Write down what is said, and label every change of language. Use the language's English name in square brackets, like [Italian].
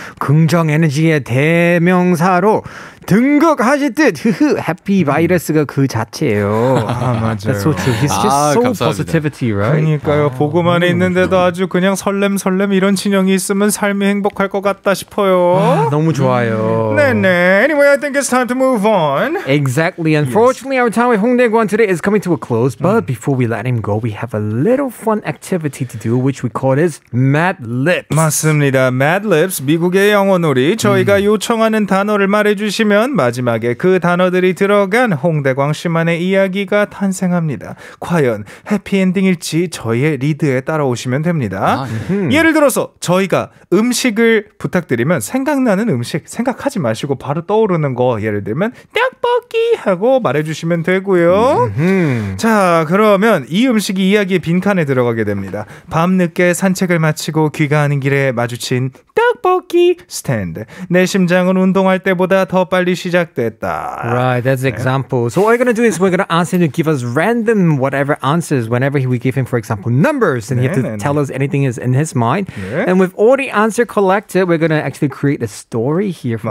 [Korean] 긍정 에너지의 대명사로 등극하시듯 흐흐 해피 바이러스가 그 자체예요. 아, 맞아요. [English] That's so true. He's just so positivity, right? [Korean] 그러니까요. 보고만 있는데도 아주 그냥 설렘 설렘 이런 진영이 있으면 삶이 행복할 것 같다 싶어요. 아, 너무 좋아요. 네네. [English] Anyway, I think it's time to move on. Exactly. Unfortunately, yes. our time with 홍대관 today is coming to a close. But before we let him go, we have a little fun activity to do, which we call as Mad Lips. [Korean] 맞습니다. Mad Lips, 미국의 영어놀이. 저희가 요청하는 단어를 말해주시면 마지막에 그 단어들이 들어간 홍대광 씨만의 이야기가 탄생합니다. 과연 해피엔딩일지 저희의 리드에 따라오시면 됩니다. 예를 들어서 저희가 음식을 부탁드리면 생각나는 음식 생각하지 마시고 바로 떠오르는 거 예를 들면 떡볶이 하고 말해주시면 되고요. 자, 그러면 이 음식이 이야기의 빈칸에 들어가게 됩니다. 밤늦게 산책을 마치고 귀가하는 길에 마주친 떡볶이 스탠드. 내 심장은 운동할 때보다 더 빨리 시작됐다. [English] Right, that's an example. So what we're going to do is we're going to ask him to give us random whatever answers whenever we give him, for example, numbers. And 네, he has to 네, tell 네. us anything is in his mind. 네. And with all the answer collected, we're going to actually create a story here for